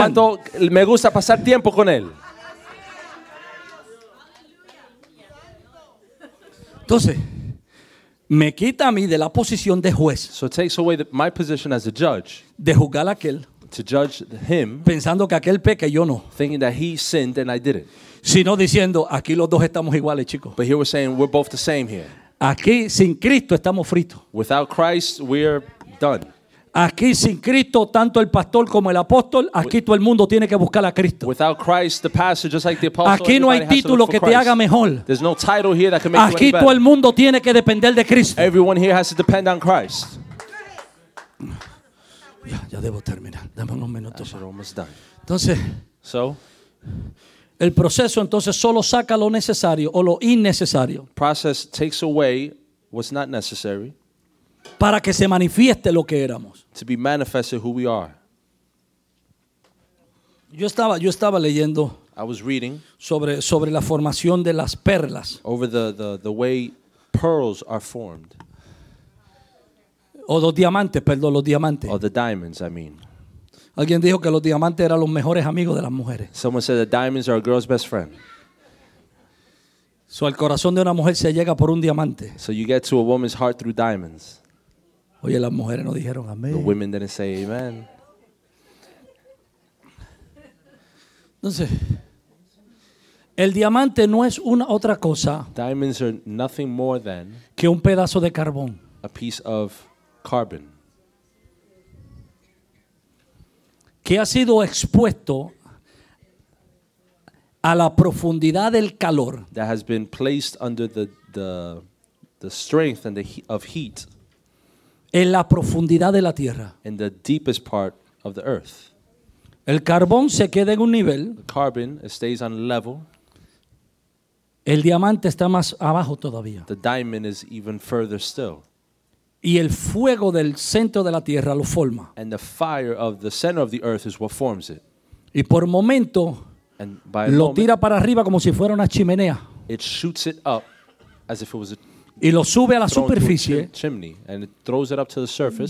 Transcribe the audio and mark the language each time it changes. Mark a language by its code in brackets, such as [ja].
[es] ¿Cuánto me gusta pasar tiempo con él? Entonces, me quita a mí de la posición de juez. [en] So it takes away my position as a judge. [es] De juzgar a aquel. [en] To judge him. [es] Pensando que aquel peca y yo no. [en] Thinking that he sinned and I didn't. [es] Sino diciendo, aquí los dos estamos iguales, chicos. [en] But here we're saying we're both the same here. [es] Aquí sin Cristo estamos fritos. [en] Without Christ we're done. [es] Aquí sin Cristo, tanto el pastor como el apóstol, aquí todo el mundo tiene que buscar a Cristo. [en] Without Christ, the pastor, just like the apostle, [es] aquí no hay título que te haga mejor. [en] There's no title here that can make [es] aquí [en] you [es] todo el mundo tiene que depender de Cristo. [en] Everyone here has to depend on Christ. [es] Ya debo terminar. Dame unos minutos. [en] Almost done. [es] Entonces, [en] so, [es] El proceso entonces solo saca lo necesario o lo innecesario. [en] Process takes away what's not necessary. [es] Para que se manifieste lo que éramos. [en] To be manifested who we are. [es] Yo estaba leyendo. [en] I was reading. [es] Sobre la formación de las perlas. [en] Over the way pearls are formed. [es] O los diamantes, perdón, los diamantes. [en] Or the diamonds, I mean. [es] Alguien dijo que los diamantes eran los mejores amigos de las mujeres. [en] Someone said that diamonds are a girl's best friend. [es] So el corazón de una mujer se llega por un diamante. [en] So you get to a woman's heart through diamonds. [es] Oye, las mujeres no dijeron amén. [en] The women didn't say amen. [es] Entonces, el diamante no es una otra cosa. [en] Diamonds are nothing more than [es] que un pedazo de carbón. [en] A piece of carbon. [es] Que ha sido expuesto a la profundidad del calor. [en] That has been placed under the strength and the heat of heat. [es] En la profundidad de la tierra. [en] In the deepest part of the earth. [es] El carbón se queda en un nivel. [en] The carbon stays on level. [es] El diamante está más abajo todavía. [en] The diamond is even further still. [es] Y el fuego del centro de la tierra lo forma. [en] And the fire of the center of the earth is what forms it. [es] Y por momento lo tira para arriba como si fuera una chimenea. [en] It shoots it up as if it was a. [es] Y lo sube a la superficie. [en] Chimney, and it throws it up to the surface.